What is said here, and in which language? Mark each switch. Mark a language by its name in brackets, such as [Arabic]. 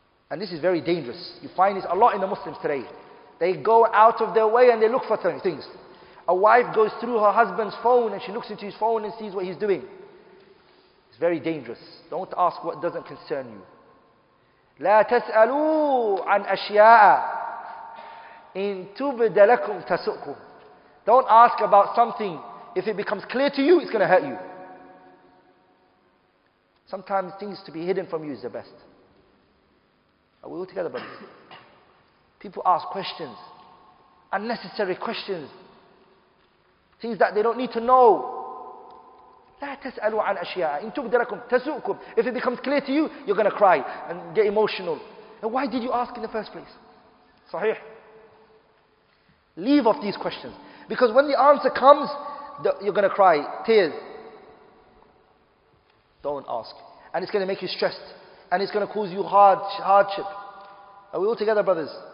[English] And this is very dangerous. You find this a lot in the Muslims today. They go out of their way and they look for things. A wife goes through her husband's phone and she looks into his phone and sees what he's doing. It's very dangerous. Don't ask what doesn't concern you. [Arabic] لا تسألوا عن أشياء إن تبد لكم تسؤكم. [English] Don't ask about something. If it becomes clear to you, it's going to hurt you. Sometimes things to be hidden from you is the best. Are we all together, brothers? People ask questions, unnecessary questions, things that they don't need to know. [Arabic] لا تسألوا عن أشياء إن تبد لكم تسؤكم. [English] If it becomes clear to you, you're going to cry and get emotional. And why did you ask in the first place? Sahih. Leave off these questions. Because when the answer comes, you're going to cry tears. Don't ask. And it's going to make you stressed. And it's going to cause you hardship. Are we all together, brothers?